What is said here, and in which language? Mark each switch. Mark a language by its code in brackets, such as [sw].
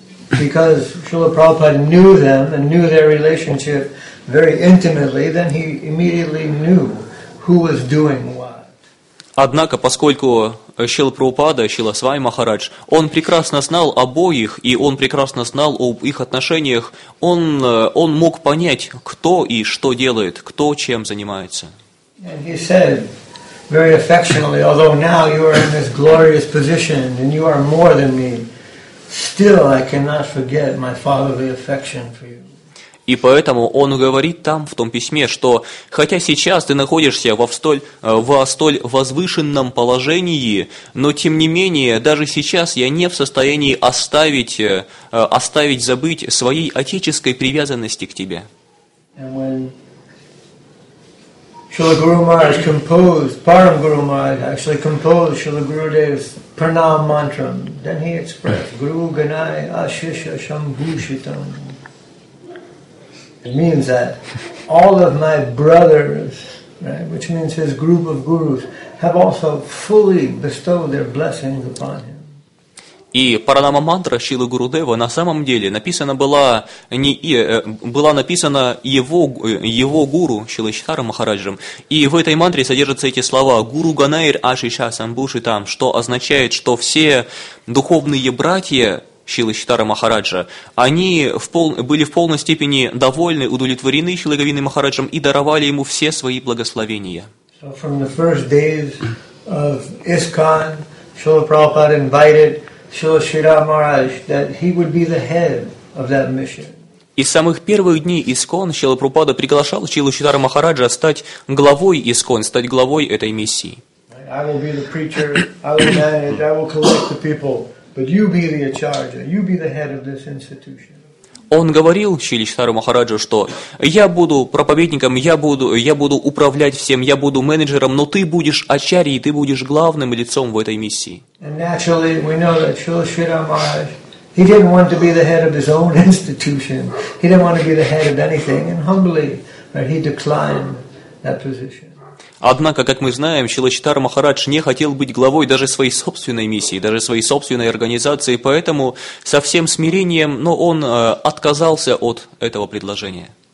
[en] Because Srila Prabhupada knew them and knew their relationship very intimately, then he immediately knew who was doing what. [ru] Однако, поскольку Шрила Прабхупада, Шрила Свами Махарадж, он прекрасно знал обоих, и он прекрасно знал об их отношениях, он мог понять, кто и что делает, кто чем занимается. [en] And he said very affectionately, although now you are in this glorious position and you are more than me, still I cannot forget my fatherly affection for you. [ru] И поэтому он говорит там, в том письме, что хотя сейчас ты находишься во столь возвышенном положении, но тем не менее, даже сейчас я не в состоянии оставить забыть своей отеческой привязанности к тебе. [en] Srila Guru Maharaj composed, Param Guru Maharaj actually composed Srila Gurudev's Pranam Mantra. Then he expressed [sa] Guru Ganai Ashisha Shambhushitam. [en] It means that all of my brothers, right, which means his group of gurus, have also fully bestowed their blessings upon him. [ru] И Паранама Мантра Шрилы Гурудева на самом деле написана была не была написана его гуру Шрилы Читара Махараджем. И в этой мантре содержатся эти слова [sa] «Гуру Ганайр Ашиша Самбушитам», [ru] что означает, что все духовные братья Шрилы Читара Махараджа, они были в полной степени довольны, удовлетворены Шрилы Гавиной Махараджем и даровали ему все свои благословения. [en] So from the first days of ISKCON, Srila Prabhupada invited Srila Sridhar Maharaj that he would be the head of that mission. [ru] Из самых первых дней ISKCON Шрила Прабхупада приглашал Шрилу Читара Махараджа стать главой ISKCON, стать главой этой миссии. [en] I will be the preacher, I will manage, I will collect the people. But you be the acharya, you be the head of this institution. [ru] Он говорил Шриле Читаре Махараджу, что я буду проповедником, я буду управлять всем, я буду менеджером, но ты будешь ачарьей, ты будешь главным лицом в этой миссии. [en] And naturally, we know that Srila Sridhar Maharaj, he didn't want to be the head of his own institution. He didn't want to be the head of anything, and humbly, he declined that position. [ru] Однако, как мы знаем, Шрила Читара Махарадж не хотел быть главой даже своей собственной миссии, даже своей собственной организации, поэтому со всем смирением, но он отказался от этого предложения.